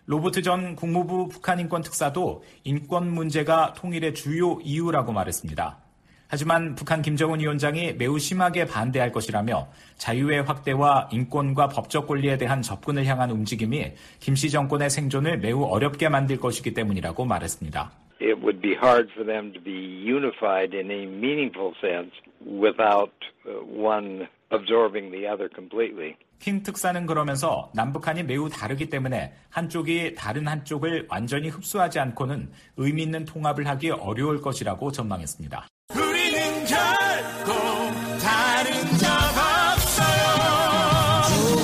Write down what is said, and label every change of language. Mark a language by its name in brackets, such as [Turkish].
[Korean] 로버트 전 국무부 북한인권특사도 인권 문제가 통일의 주요 이유라고 말했습니다. 하지만 북한 김정은 위원장이 매우 심하게 반대할 것이라며 자유의 확대와 인권과 법적 권리에 대한 접근을 향한 움직임이 김씨 정권의 생존을 매우 어렵게 만들 것이기 때문이라고 말했습니다. [English] It would be hard for them to be unified in a meaningful sense without one absorbing the other completely. [Korean] 킹 특사는 그러면서 남북한이 매우 다르기 때문에 한쪽이 다른 한쪽을 완전히 흡수하지 않고는 의미 있는 통합을 하기 어려울 것이라고 전망했습니다. 우리는 결코 다른 적 없어요.